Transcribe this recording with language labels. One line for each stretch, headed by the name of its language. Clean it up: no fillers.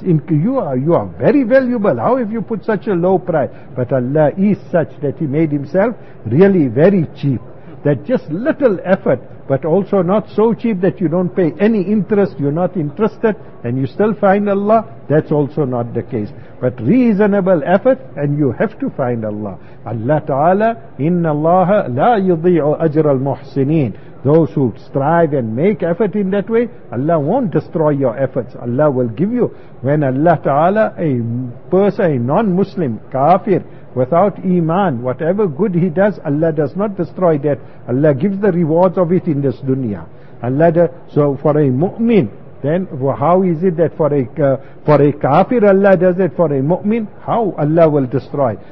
English: You are very valuable. How have you put such a low price? But Allah is such that He made Himself really very cheap. that just little effort, but also not so cheap that you don't pay any interest, you're not interested, and you still find Allah, that's also not the case. But reasonable effort, and you have to find Allah.
Arabic: Allah Ta'ala, إِنَّ اللَّهَ لَا يُضِيعُ أَجْرَ الْمُحْسِنِينَ.
English: Those who strive and make effort in that way, Allah won't destroy your efforts. Allah will give you. When Allah Ta'ala, a person, a non-Muslim, kafir, without iman, whatever good he does, Allah does not destroy that. Allah gives the rewards of it in this dunya. So for a mu'min, then how is it that for a kafir Allah does it, for a mu'min, how Allah will destroy?